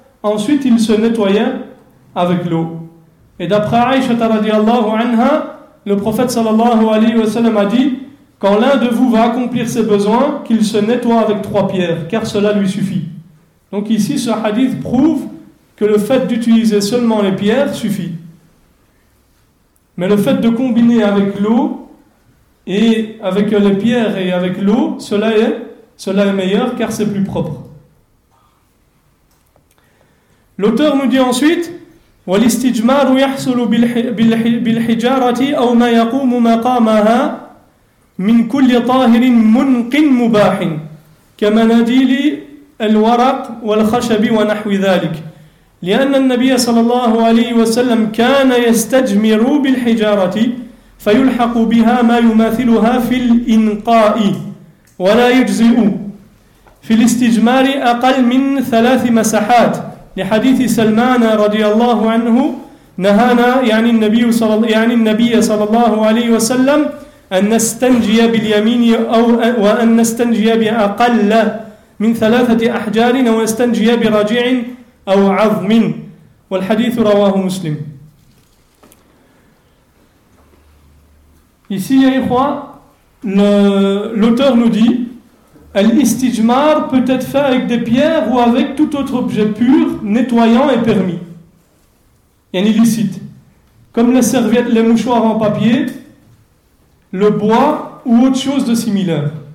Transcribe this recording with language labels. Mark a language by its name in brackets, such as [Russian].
[French] Ensuite, il se nettoyait avec l'eau. Et d'après Aïcha [Arabic] radiallahu anha, [French] le prophète [Arabic] sallallahu alayhi wa sallam [French] a dit « Quand l'un de vous va accomplir ses besoins, qu'il se nettoie avec trois pierres, car cela lui suffit. » Donc ici, ce hadith prouve que le fait d'utiliser seulement les pierres suffit. Mais le fait de combiner avec l'eau, et avec les pierres et avec l'eau, cela est meilleur, car c'est plus propre. L'auteur nous dit ensuite [Arabic] والاستجمار يحصل بالحجارة أو ما يقوم مقامها من كل طاهر منق مباح كمناديل الورق والخشب ونحو ذلك لأن النبي صلى الله عليه وسلم كان يستجمر بالحجارة فيلحق بها ما يماثلها في الإنقاء ولا يجزئ في الاستجمار أقل من ثلاث مساحات لحديث سلمان رضي الله عنه نهانا يعني النبي صلى الله عليه وسلم أن نستنجي باليمين أو وأن نستنجي بأقل من ثلاثة أحجار أو نستنجي برجع أو عظم والحديث رواه مسلم. [French] Ici, [Arabic] يا إخوة, [French] l'auteur nous dit الاستجمار peut être fait avec des pierres ou avec tout autre objet pur, nettoyant et permis. Il y a un illicite. Comme les serviettes, les mouchoirs en papier, le bois ou autre chose de similaire.